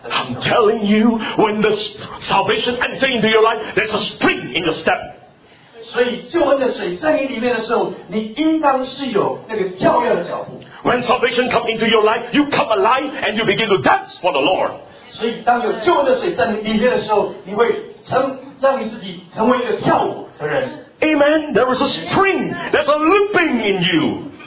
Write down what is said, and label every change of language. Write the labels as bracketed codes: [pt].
[en] I'm telling you, when the salvation enters into your life, there's a spring in your step. [zh] 所以救恩的水在你里面的时候，你应当是有那个跳跃的脚步。 [en] When salvation comes into your life, you come alive and you begin to dance for the Lord. [zh] 所以当有救恩的水在你里面的时候，你会让你自己成为一个跳舞的人。 [en] Amen. There is a spring. There's a leaping in you.